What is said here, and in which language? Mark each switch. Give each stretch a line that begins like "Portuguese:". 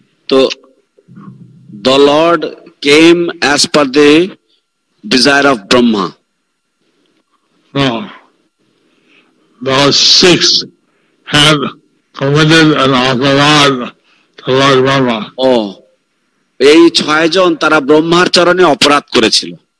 English: তো the lord came as per the desire of Brahma. No. The six had committed an apraadh to Lord Brahma. Oh.
Bangla: এই ছয়জন তারা ব্রহ্মার চরণে অপরাধ করেছিল.